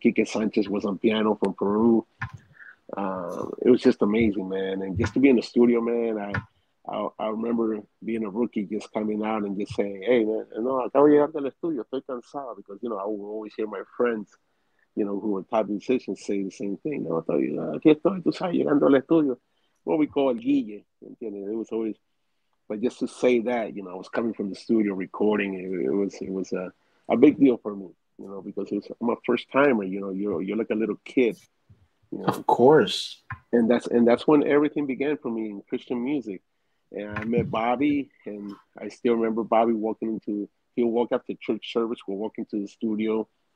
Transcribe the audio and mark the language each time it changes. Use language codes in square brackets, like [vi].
[en] Kike Sanchez was on piano from Peru. It was just amazing, man. And just to be in the studio, man, I remember being a rookie just coming out and just saying, hey, man, [es] no, acabo de llegar al estudio, estoy cansado. [en] Because, you know, I would always hear my friends, you know, who were top musicians say the same thing. [es] No, aquí estoy, tú sabes, llegando al estudio. [en] What we call Guille, [es] ¿entiendes? [en] It was always, but just to say that, you know, I was coming from the studio recording, it was a big deal for me, you know, because it was, I'm a first timer, you know, you're like a little kid. You know? Of course. And that's when everything began for me in Christian music. And I met Bobby, and I still remember Bobby he'll walk after church service, we'll walk into the studio.